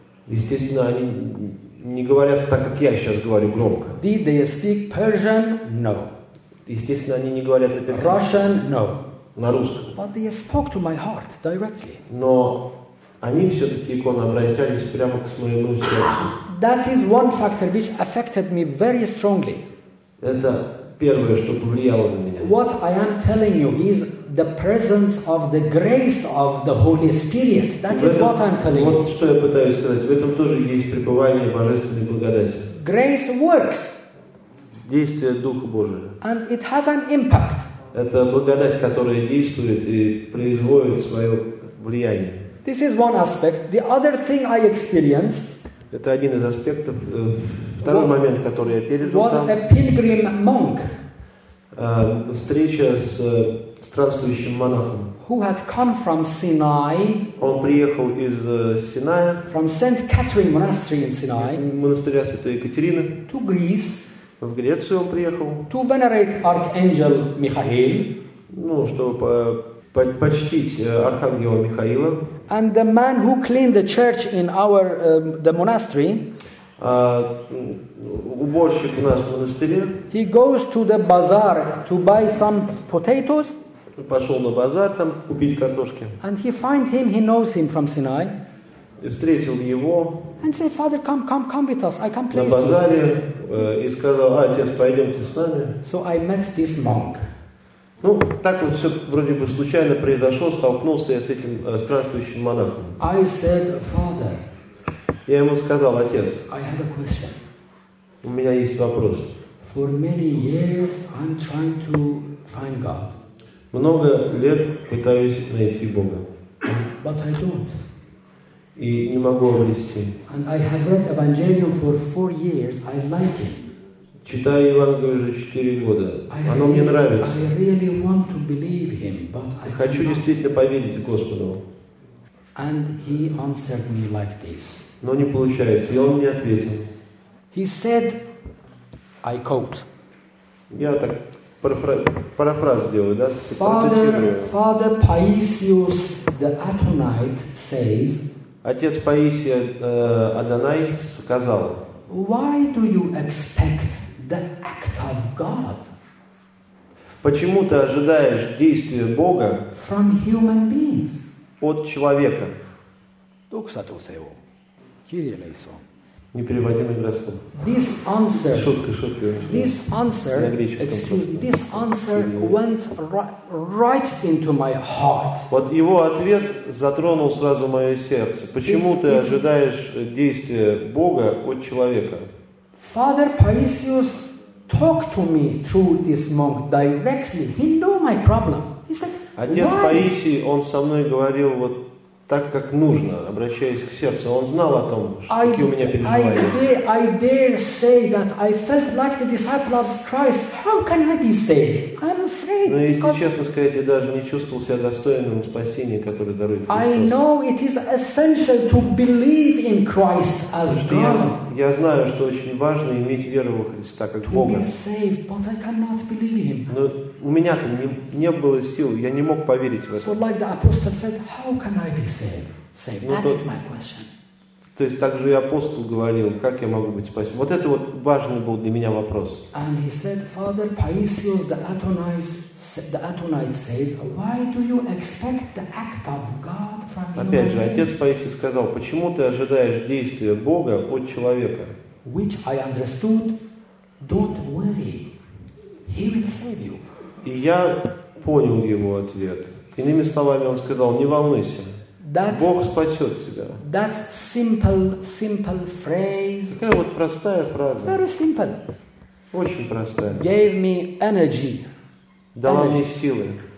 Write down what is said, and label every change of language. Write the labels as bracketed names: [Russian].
[Russian] Естественно, они не говорят так, как я сейчас говорю громко. [English] Did they speak Persian? No. [Russian] Естественно, они не говорят на персидском. [English] Russian? No. [Russian] На русском. [English] But they spoke to my heart directly. [Russian] Но они все-таки иконы обращались прямо к моему сердцу. [English] That is one factor which affected me very strongly. [Russian] Это первое, что повлияло на меня. [English] What I am telling you is the presence of the grace of the Holy Spirit. That is what I'm telling you. [Russian] Вот что я пытаюсь сказать. В этом тоже есть пребывание божественной благодати. [English] Grace works. [Russian] Действие Духа Божия. [English] And it has an impact. [Russian] Это благодать, которая действует и производит свое влияние. [English] This is one aspect. The other thing I experienced. [Russian] Это один из аспектов. Второй момент, который я пережил. [English] Was a pilgrim monk. [Russian] Встреча с странствующим монахом. [English] Who had come from Sinai. [Russian] Он приехал из Синая. [English] From Saint Catherine Monastery in Sinai. [Russian] Монастыря Святой Екатерины. [English] To Greece. [Russian] В Грецию он приехал. [English] To venerate Archangel Michael. [Russian] Ну, чтобы почтить архангела Михаила. [English] And the man who cleaned the church in our the monastery. [Russian] Уборщик у нас в монастыре. [English] He goes to the bazaar to buy some potatoes. [Russian] Пошел на базар там купить картошки. [English] And he finds him. He knows him from Sinai. [Russian] И встретил его. [English] And say, Father, come with us. I can please. [Russian] На базаре и сказал, а отец, пойдемте с нами. [English] So I met this monk. [Russian] Ну, так вот все вроде бы случайно произошло, столкнулся я с этим странствующим монахом. [English] I said, Father. [Russian] Я ему сказал, отец. [English] I have a question. [Russian] У меня есть вопрос. [English] For many years I'm trying to find God. [Russian] Много лет пытаюсь найти Бога. [English] But I don't. [Russian] И не могу обрести. [English] And I have read Evangelion for 4 years. I like it. [Russian] Читаю Евангелие уже 4 года. Оно мне нравится. [English] I really want to believe him, but I [Russian] хочу действительно поверить Господу. [English] And he answered me like this. [Russian] Но не получается. И он мне ответил. [English] He said, I quote. [Russian] Я так парафраз сделаю, да? [English] Father Paisios the Athonite says. [Russian] Отец Паисий Адонай сказал. [English] Why do you expect the act of God? [Russian] Почему ты ожидаешь действия Бога? [English] From human beings. [Russian] От человека. Доксату Тео. Кирилл Исо. Непереводимый гороскоп. [English] This answer. [Russian] Шутка. [English] This answer. This answer went right into my heart. [Russian] Вот его ответ затронул сразу мое сердце. Почему ты ожидаешь действия Бога от человека? [English] Father Paisios talked to me through this monk directly. He knew my problem. He said, [Russian] "Отец Паисий, он со мной говорил вот так, как нужно, обращаясь к сердцу. Он знал о том, какие у меня переживания." [English] I dare say that I felt like the disciple of Christ. How can I be saved? I'm afraid. [Russian] Но если честно сказать, я даже не чувствовал себя достойным спасения, которое дарует Христос. [English] I know it is essential to believe in Christ as God. [Russian] Я знаю, что очень важно иметь веру во Христа, как [English] to [Russian] Бога. [English] Be saved, but I cannot believe him. [Russian] Но у меня-то не было сил, я не мог поверить в это. [English] So like the apostle said, how can I be saved? That is my question. [Russian] То есть так же и апостол говорил, как я могу быть спасен. Вот это вот важный был для меня вопрос. [English] And he said, Father Paisios, the Athonite says, why do you expect the act of God from human? [Russian] Опять же, отец Паисий сказал, почему ты ожидаешь действия Бога от человека? [English] Which I understood, don't worry, he will save you. [Russian] И я понял его ответ. Иными словами, он сказал, не волнуйся. Бог спасет тебя. [English] That simple phrase. [Russian] Такая вот простая фраза. [English] Very simple. [Russian] Очень простая. [English] Gave me energy. [Russian] Дала мне силы.